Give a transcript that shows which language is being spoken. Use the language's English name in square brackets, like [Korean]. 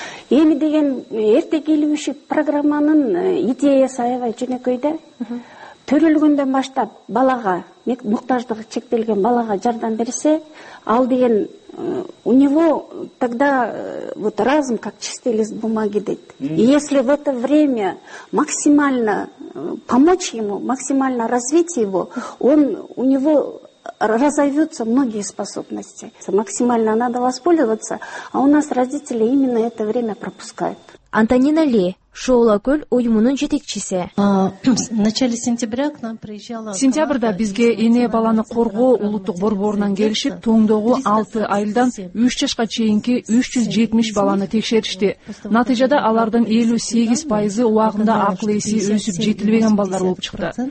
[Kyrgyz] Эми деген эрте келүүчү программанын идеясы аябай жөнөкөй да. Төрөлгөндөн баштап балага, муктаждыгы чектелген балага жардам берсе, ал деген [Russian] у него тогда вот разум как чистый лист бумаги [Kyrgyz] дейт. [Russian] Если в это время максимально помочь ему, максимально развить его, у него разовьются многие способности. Максимально надо воспользоваться, а у нас родители именно это время пропускают. [Kyrgyz] Антонина Ли, Шоула Көл уюмунун жетекчиси. Сентябрда бизге эне баланы коргоо улуттук борборунан келишип, тоңдогу 6 айылдан 3 жашка чейинки 370 баланы текшеришти. Натыйжада алардын 58% убагында акыл эси өсүп жетилбеген балдар болуп чыкты.